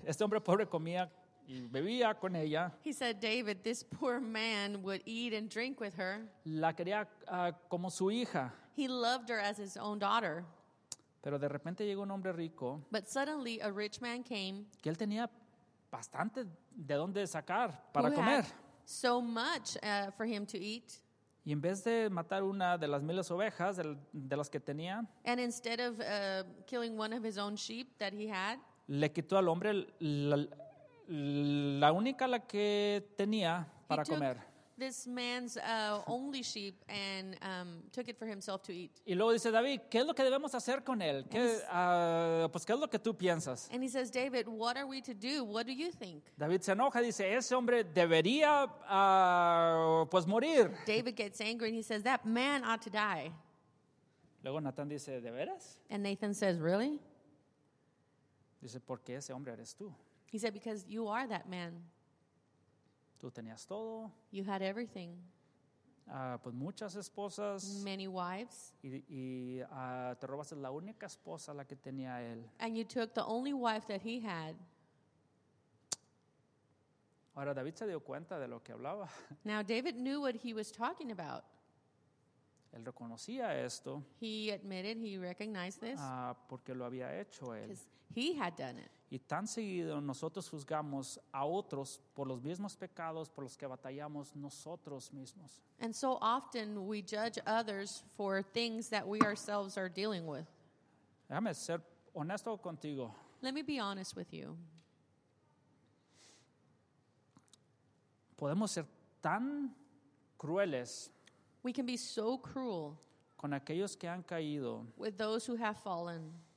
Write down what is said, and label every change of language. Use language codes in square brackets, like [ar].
[es] Este hombre pobre comía y bebía con ella. [en] He said, David, this poor man would eat and drink with her. [es] La quería como su hija. [en] He loved her as his own daughter. [es] Pero de repente llegó un hombre rico. [en] But suddenly a rich man came. [es] Que él tenía bastante de dónde sacar para comer. [en] So much for him to eat. [es] Y en vez de matar una de las miles ovejas de las que tenía. [en] And instead of killing one of his own sheep that he had. [es] Le quitó al hombre la única la que tenía para comer. [en] This man's only sheep and took it for himself to eat. [es] Y luego dice David, ¿qué es lo que debemos hacer con él? ¿Qué es lo que tú piensas? [en] And he says, David, what are we to do? What do you think? [es] David se enoja, dice, ese hombre debería pues morir. [en] David gets angry and he says, that man ought to die. [es] Luego Nathan dice, ¿de veras? [en] And Nathan says, really? [es] Dice, porque ese hombre eres tú. [en] He said, because you are that man. [es] Tú tenías todo. [en] You had everything. [es] Pues muchas esposas. [en] Many wives. [es] Y te robaste la única esposa la que tenía él. [en] And you took the only wife that he had. [es] Ahora David se dio cuenta de lo que hablaba. [en] Now David knew what he was talking about. [es] Él reconocía esto. [en] He admitted, he recognized this. [es] Porque lo había hecho él. [en] He had done it. [es] Y tan seguido nosotros juzgamos a otros por los mismos pecados por los que batallamos nosotros mismos. [en] And so often we judge others for things that we ourselves are dealing with. [es] Déjame ser honesto contigo. [en] Let me be honest with you. [es] Podemos ser tan crueles. [en] We can be so cruel. [es] Con aquellos que han caído. [en] With those who have fallen.